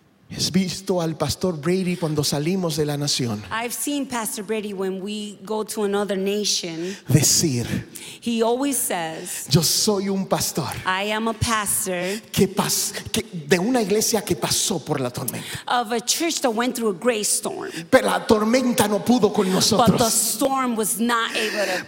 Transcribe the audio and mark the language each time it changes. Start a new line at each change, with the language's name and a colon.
Spanish: ¿Has visto al Pastor Brady cuando salimos de la nación?
English: I've seen Pastor Brady when we go to another nation.
Spanish: Decir.
English: He always says.
Spanish: Yo soy un pastor.
English: I am a pastor.
Spanish: Que de una iglesia que pasó por la tormenta.
English: Of a church that went through a great storm.
Spanish: Pero la tormenta no pudo con nosotros.
English: But the storm was not able to bring us down.